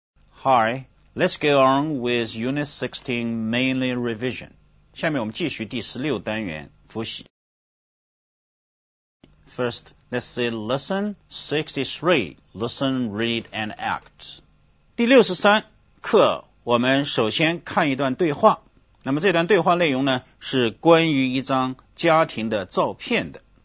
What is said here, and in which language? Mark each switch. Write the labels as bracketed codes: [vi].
[en] Hi, let's go on with Unit 16 Mainly Revision. [zh] 下面我们继续第十六单元复习。 [en] First, let's see Lesson 63, Listen, Read, and Act. [zh] 第六十三课，我们首先看一段对话。那么这段对话内容呢，是关于一张家庭的照片的。